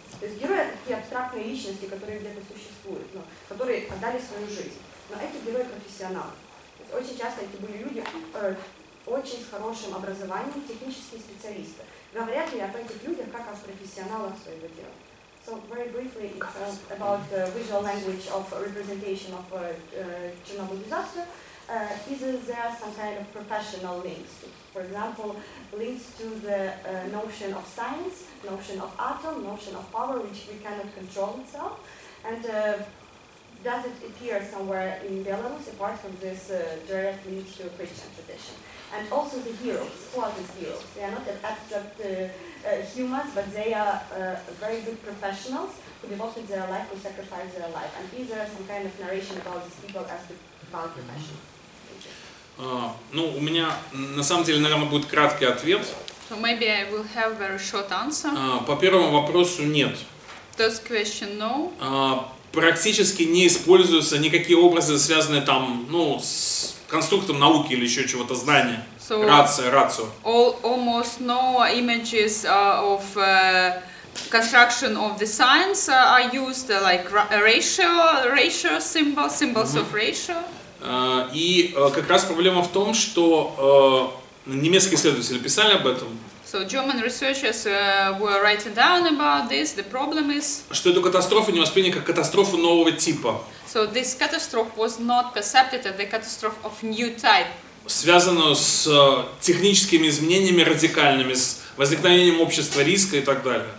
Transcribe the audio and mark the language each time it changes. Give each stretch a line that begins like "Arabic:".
Russian: То есть герои — это такие абстрактные личности, которые где-то существуют, но которые отдали свою жизнь. Но эти герои — профессионалы. Очень часто эти были люди очень с хорошим образованием, технические специалисты. Говорят ли об этих людях как о профессионалах своего дела?
English: So very briefly, it's about the visual language of representation of Chernobyl disaster. Isn't there some kind of professional links? For example, links to the notion of science, notion of atom, notion of power, which we cannot control itself. And does it appear somewhere in Belarus, apart from this direct link to Christian tradition? And also the heroes, who are these heroes? They are not abstract humans, but they are very good professionals who devoted their life, who sacrificed their life. And is there some kind of narration about these people as the valid profession?
Russian: Ну, у меня, на самом деле, наверное, будет краткий ответ.
English: So maybe I will have a very short answer.
Russian: По первому вопросу нет.
English: First question, no.
Russian: Практически не используются никакие образы, связанные там, ну, с конструктом науки или еще чего-то, знания.
English: So
Russian: рация, рацио.
English: Almost no images of construction of the science are used, like ratio symbol, symbols of ratio.
Russian: И как раз проблема в том, что немецкие исследователи писали об этом.
English: So German researchers were writing down about this. The problem is,
Russian: что эту катастрофу не восприняли как катастрофу нового типа.
English: So this catastrophe was not perceived as the catastrophe of new type.
Russian: Связанную с техническими изменениями радикальными, с возникновением общества риска и так далее.